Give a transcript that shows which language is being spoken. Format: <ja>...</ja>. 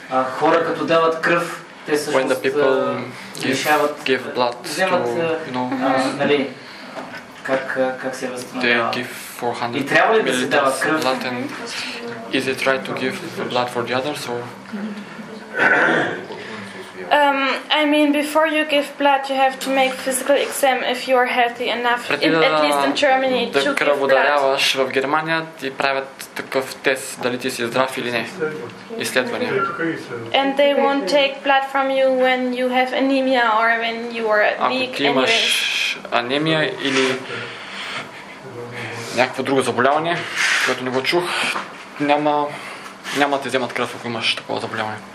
<bg>Хора, като дават кръв, те също лишават, вземат, нали, как се възстановява. И трябва ли да се дават кръв?</bg> <en>Blood and is it right to give blood for the others or? I mean, before you give blood, you have to make physical exam if you are healthy enough.</en> <bg>Преди да,</bg> <en>at least in Germany,</en> <bg>да</bg> <en>to</en> <bg>кръводаряваш в Германия, ти правят такъв тест, дали ти си здрав или не. Изследвания.</bg> <en>And they won't take blood from you when you have anemia or when you are weak.</en> <bg>Ако имаш анемия или някакво друго заболяване, което не го чух, няма да ти вземат кръв, ако имаш такова заболяване.</bg>